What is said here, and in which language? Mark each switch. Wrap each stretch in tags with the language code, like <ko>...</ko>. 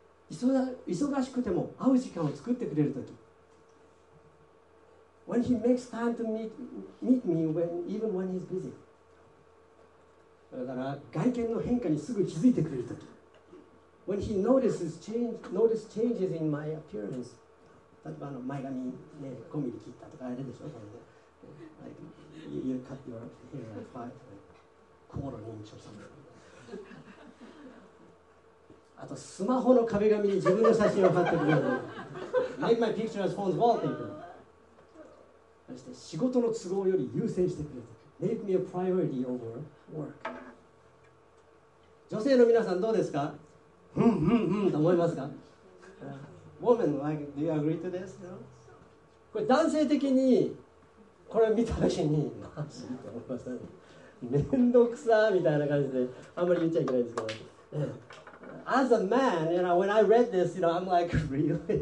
<ja>忙しくても会う時間を作ってくれるとき、</ja> <en>When he makes time to meet me when, even when he's busy.</en> <ja>だから外見の変化にすぐ気づいてくれるとき。</ja> <en>When he notices changes in my appearance.</en> <ja>例えばあの前髪ね、5ミリ切ったとかあれでしょ、これで。</ja> <en>Like, you cut your hair like 5 inches or something.</en> <ja>あとスマホの壁紙に自分の写真を貼ってくれる。</ja> <en>Make my picture as phone's wallpaper.</en> <ja>そして仕事の都合より優先してくれて、</ja> <en>Make me a priority over work.</en> <ja>女性の皆さんどうですか？ふんふんふんと思いますか？</ja> <en>Woman, like, do you agree to this? No?</en> <ja>これ男性的にこれ見たときにマジと思いますね。めんどくさみたいな感じであんまり言っちゃいけないですけど。</ja> <en>As a man, you know, when I read this, you know, I'm like, really?</en>